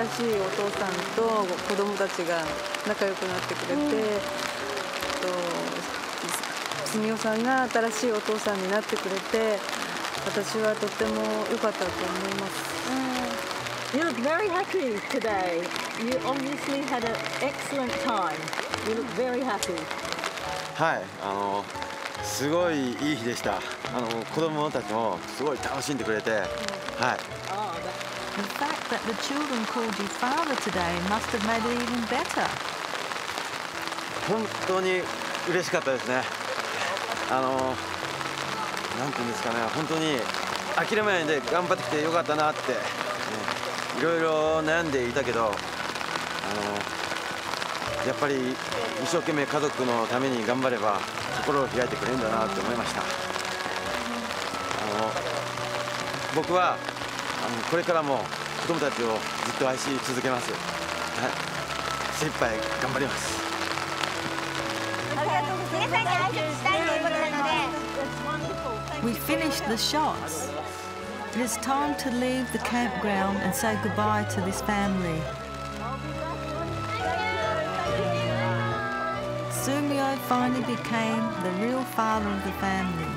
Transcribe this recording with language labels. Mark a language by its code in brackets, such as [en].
[ja] 新しいお父さんと子供たちが仲良くなってくれて、スミオさんが新しいお父さんになってくれて、私はとても良かったと思います。 [en] You look very happy today. You obviously had an excellent time. You look very happy. [ja] はい、すごいいい日でした。子供たちもすごい楽しんでくれて、はい。 [en] The fact that the children called you father today must have made it even better. [ja] 本当に嬉しかったですね。なんていうんですかね、本当に諦めないで頑張ってきてよかったなって、ね、いろいろ悩んでいたけど、やっぱり一生懸命家族のために頑張れば心を開いてくれるんだなって思いました。僕はこれからも子供たちをずっと愛し続けます。はい、精一杯頑張ります。ありがとうございます。皆さんに挨拶したいということなので。 [en] We finished the shots. It is time to leave the campground and say goodbye to this family. Sumio finally became the real father of the family.